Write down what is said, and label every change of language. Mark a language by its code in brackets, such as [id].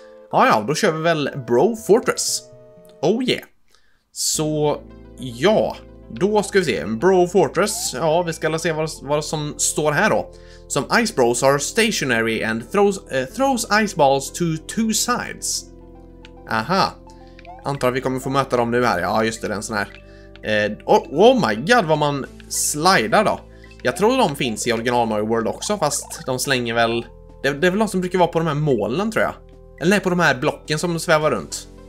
[sv] Ja, då kör vi väl Bro Fortress. [en] Oh yeah. [sv] Så ja, då ska vi se Bro Fortress. Ja, vi ska se vad som står här då. [en] Som Ice Bros are stationary and throws ice balls to 2 sides. [sv] Aha. Antar att vi kommer få möta dem nu här. Ja, just det, den sån här. [en] Oh my god, [sv] vad man slidar då. Jag tror de finns i original Mario World också, fast de slänger väl... Det är väl de som brukar vara på de här målen, tror jag. Eller nej, på de här blocken som svävar runt.